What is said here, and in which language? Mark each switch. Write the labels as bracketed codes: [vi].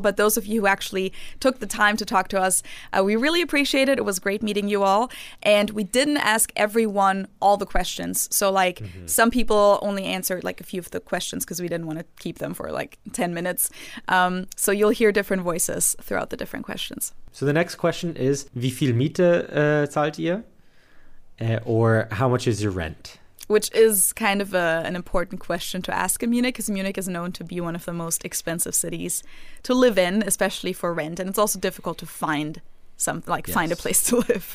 [en] But those of you who actually took the time to talk to us, we really appreciate it. It was great meeting you all. And we didn't ask everyone all the questions. So like some people only answered like a few of the questions because we didn't want to keep them for like 10 minutes. So you'll hear different voices throughout the different questions. So the next question is, [de] wie viel Miete zahlt ihr? [en] Or how much is your rent? Which is kind of an important question to ask in Munich, because Munich is known to be one of the most expensive cities to live in, especially for rent. And it's also difficult to find find a place to live.